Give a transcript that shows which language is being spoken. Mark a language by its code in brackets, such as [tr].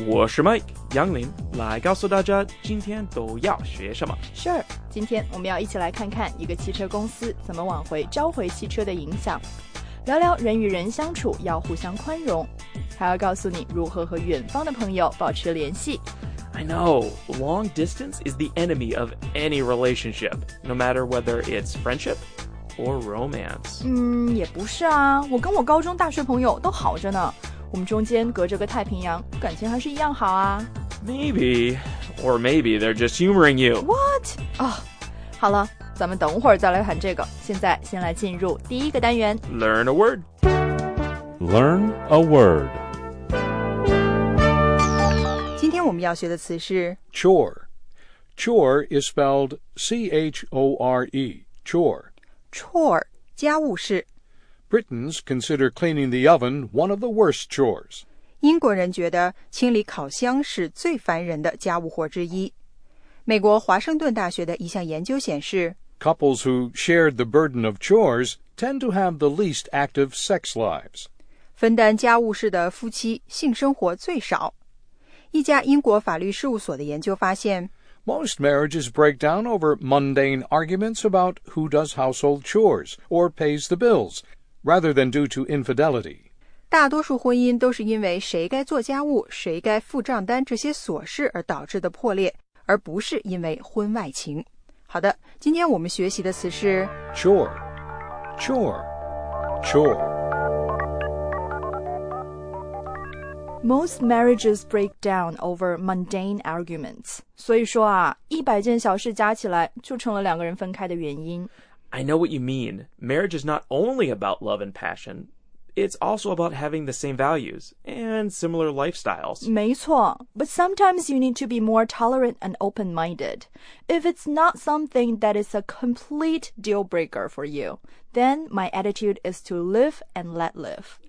[zh] 我是 Mike 杨林，来告诉大家今天都要学什么。 Sure， 今天我们要一起来看看一个汽车公司怎么挽回召回汽车的影响，聊聊人与人相处要互相宽容，还要告诉你如何和远方的朋友保持联系。 [en] I know, long distance is the enemy of any relationship, no matter whether it's friendship or romance. [zh] 也不是啊，我跟我高中大学朋友都好着呢，我们中间隔着个太平洋，感情还是一样好啊。 [en] Maybe, or maybe they're just humoring you. What? [zh] 好了，咱们等会儿再来谈这个，现在先来进入第一个单元。 [en] Learn a word. Learn a word. [zh] 我们要学的词是 [en] chore. Chore is spelled C-H-O-R-E, chore. [zh] Chore, 家务事。 [en] Britons consider cleaning the oven one of the worst chores. [zh] 英国人觉得清理烤箱是最烦人的家务活之一。美国华盛顿大学的一项研究显示， [en] Couples who shared the burden of chores tend to have the least active sex lives. [zh] 分担家务事的夫妻性生活最少。一家英国法律事务所的研究发现， [en] Most marriages break down over mundane arguments about who does household chores or pays the bills, rather than due to infidelity. [zh] 大多数婚姻都是因为谁该做家务、谁该付账单这些琐事而导致的破裂，而不是因为婚外情。好的，今天我们学习的词是 [en] chore, chore, chore. Most marriages break down over mundane arguments. [zh] 所以说啊，一百件小事加起来就成了两个人分开的原因。 [en] I know what you mean. Marriage is not only about love and passion. It's also about having the same values and similar lifestyles. [zh] 没错。 [en] But sometimes you need to be more tolerant and open-minded. If it's not something that is a complete deal-breaker for you, then my attitude is to live and let live.